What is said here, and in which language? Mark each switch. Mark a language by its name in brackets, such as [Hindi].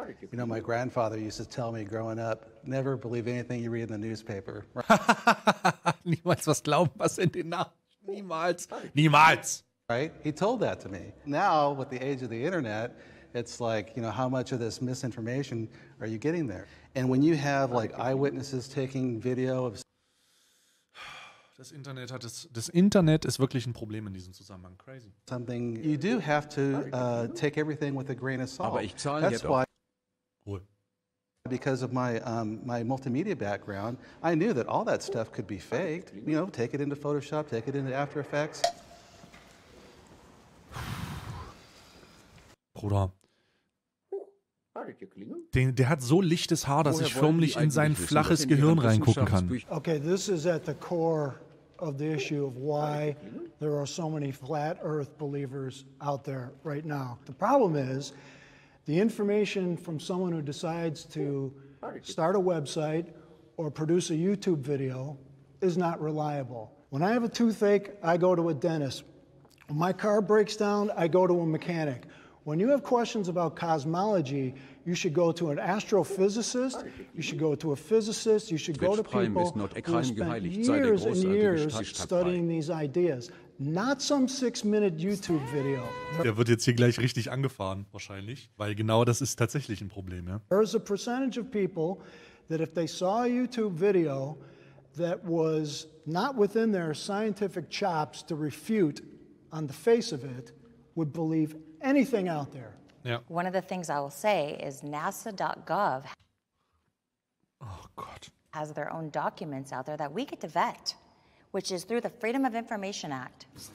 [English] You know, my grandfather used to tell me growing up, never believe anything you read in the newspaper. [German] Niemals was glauben, was in den Nachrichten. Niemals. Niemals. [English] Right? He told that to me. Now, with the age of the internet, it's like, you know, how much of this misinformation are you getting there? And when you have, like, eyewitnesses taking video of... [German] Das Internet ist wirklich ein Problem in diesem Zusammenhang. [English] Crazy. Something you do have to take everything with a grain of salt. [German] Aber ich zahle ja doch. Ruhe. [English] Because of my my multimedia background, I knew that all that stuff could be faked. You know, take it into Photoshop, take it into After Effects. [German] Bruder. Der hat so lichtes Haar, dass ich förmlich in sein flaches Gehirn reingucken kann. [English] Okay, this is at the core of the issue of why there are so many flat earth believers out there right now. The problem is, the information from someone who decides to start a website or produce a YouTube video is not reliable. When I have a toothache, I go to a dentist. When my car breaks down, I go to a mechanic. When you have questions about cosmology, you should go to an astrophysicist, you should go to a physicist, you should go to people who have spent years and years studying these ideas. Not some 6-minute YouTube video. [German] Der wird jetzt hier gleich richtig angefahren, wahrscheinlich, weil genau das ist tatsächlich ein Problem, ja. [English] There is a percentage of people that if they saw a YouTube video that was not within their scientific chops to refute on the face of it, would believe anything out there. Yeah. One of the things I will say is NASA.gov has their own documents out there that we get to vet, which is through the Freedom of Information Act.